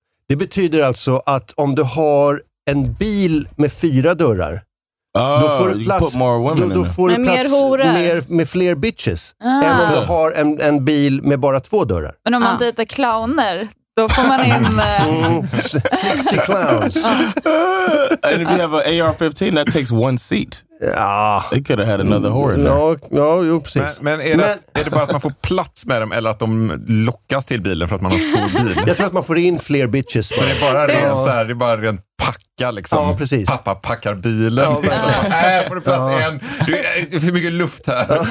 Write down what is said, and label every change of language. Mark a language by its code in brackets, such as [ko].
[sv] Det betyder alltså att om du har... en bil med 4 dörrar. Då får du plats, [en] put more women [sv] då får du plats med fler bitches. Än om du har en bil med bara 2 dörrar. Men om man dejtar clowner, då får man in [en] 60 clowns. And if you have an AR-15, that takes one seat. It could have had another whore. [sv] No, precis. Men är det bara att man får plats med dem, eller att de lockas till bilen för att man har stor bil? Jag tror att man får in fler bitches. Så det är bara rent packa liksom. Ja, precis. Pappa packar bilen. Ja, får du plats igen? Det är för mycket luft här.